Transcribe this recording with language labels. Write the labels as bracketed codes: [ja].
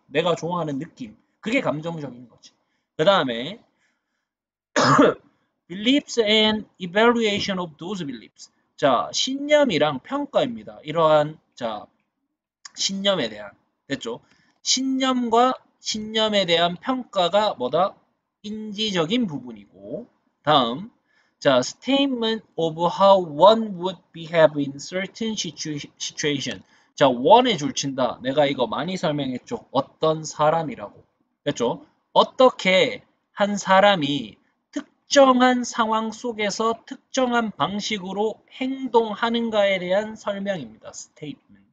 [ko] 내가 좋아하는 느낌. 그게 감정적인 거지. 그 다음에, [en] beliefs and evaluation of those beliefs. [ko] 자, 신념이랑 평가입니다. 이러한, 자, 신념에 대한, 됐죠? 신념과 신념에 대한 평가가 뭐다? 인지적인 부분이고. 다음. [en] 자, statement of how one would behave in certain situation. [ko] 자, one에 줄친다. 내가 이거 많이 설명했죠? 어떤 사람이라고. 됐죠? 어떻게 한 사람이 특정한 상황 속에서 특정한 방식으로 행동하는가에 대한 설명입니다. [en] statement.